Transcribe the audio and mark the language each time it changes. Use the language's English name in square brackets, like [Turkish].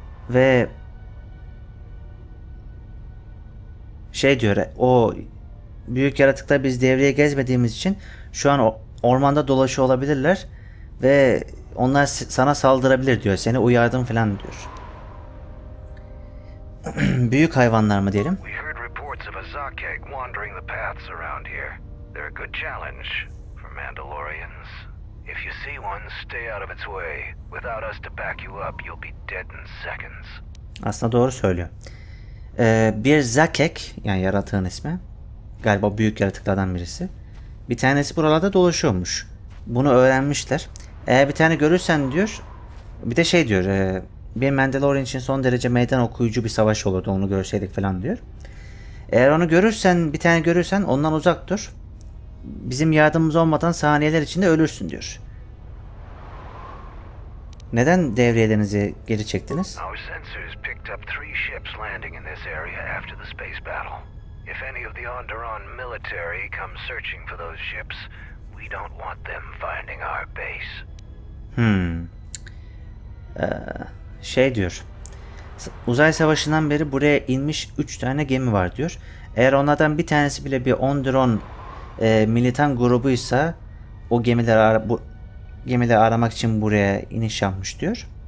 [Turkish] Ve şey diyor, o büyük yaratıklar biz devreye gezmediğimiz için şu an ormanda dolaşıyor olabilirler ve Onlar sana saldırabilir diyor. Seni uyardım falan diyor. Büyük hayvanlar mı diyelim? [English] We heard reports of a Zakeg wandering the paths around here. They're a good challenge for Mandalorians. If you see one, stay out of its way. Without us to back you up, you'll be dead in seconds. [Turkish] Aslında doğru söylüyor. Bir Zakeg, yani yaratığın ismi. Galiba büyük yaratıklardan birisi. Bir tanesi buralarda dolaşıyormuş. Bunu öğrenmişler. Eğer bir tane görürsen diyor. Bir de şey diyor. Bir Mandalorian için son derece meydan okuyucu bir savaş olurdu onu görseydik falan diyor. Eğer onu görürsen, bir tane görürsen ondan uzak dur. Bizim yardımımız olmadan saniyeler içinde ölürsün diyor. Neden devriyelerinizi geri çektiniz? [English] Our sensors picked up three ships landing in this area after the space battle. If any of the Onderon military come searching for those ships, we don't want them finding our base. [Turkish] Şey diyor. Uzay savaşından beri buraya inmiş 3 tane gemi var diyor. Eğer onlardan bir tanesi bile bir Onderon militan grubuysa o gemileri gemileri aramak için buraya iniş yapmış diyor.